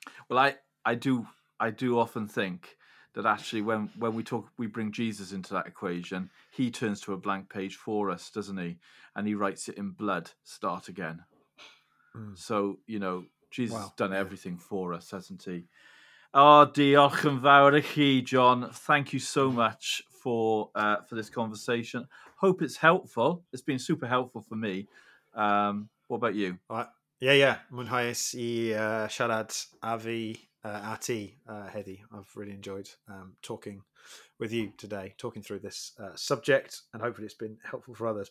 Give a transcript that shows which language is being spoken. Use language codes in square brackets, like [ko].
[en] Well, I do often think that actually when we talk, we bring Jesus into that equation, he turns to a blank page for us, doesn't he? And he writes it in blood, start again. Mm. So, you know, Jesus has done everything for us, hasn't he? [cy] Oh, diolch yn fawr I chi, John. [en] Thank you so much for this conversation. Hope it's helpful. It's been super helpful for me. What about you? [cy] Yeah. Mwynhaes I siarad a fi a ti heddi. [en] I've really enjoyed talking with you today, talking through this subject, and hopefully it's been helpful for others.